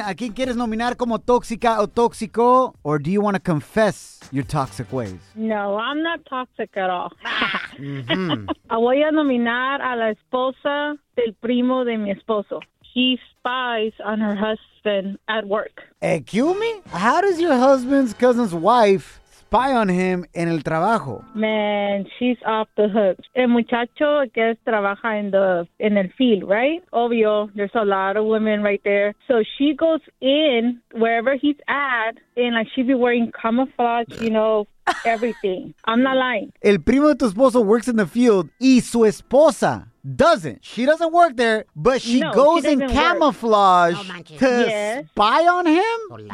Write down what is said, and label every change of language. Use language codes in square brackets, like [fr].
[es] ¿A quién quieres nominar como tóxica o tóxico? [en] Or do you want to confess your toxic ways? No, I'm not toxic at all. Mm-hmm. [es] Voy a nominar a la esposa del primo de mi esposo. [en] He spies on her husband at work. Excuse me? How does your husband's cousin's wife spy on him [es] en el trabajo? [en] Man, she's off the hook. [es] El muchacho, [en] I guess, [es] trabaja en el [en] field, right? Obvio, there's a lot of women right there. So she goes in wherever he's at, and like she'd be wearing camouflage, you know, everything. I'm not lying. [es] El primo de tu esposo [en] works in the field, [es] y su esposa [en] doesn't. She doesn't work there, but she goes in camouflage to spy on him?